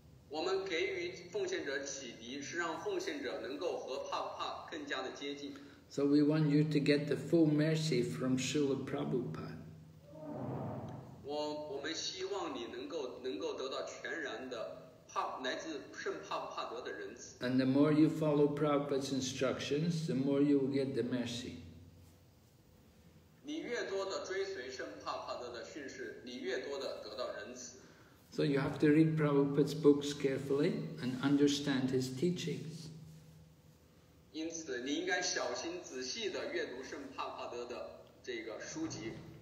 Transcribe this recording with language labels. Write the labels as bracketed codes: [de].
[zh] 我们给予奉献者启迪是让奉献者能够和帕帕更加的接近。 [en] So we want you to get the full mercy from Srila Prabhupada. [zh] 我们希望你能够得到全然的来自圣帕帕德的仁慈。 [en] And the more you follow Prabhupada's instructions, the more you will get the mercy. [zh] 你越多的追随圣帕帕德的训示，你越多的得到仁慈。 [en] So you have to read Prabhupada's books carefully and understand his teachings. [zh] 因此你应该小心仔细地阅读圣帕帕德的这个书籍。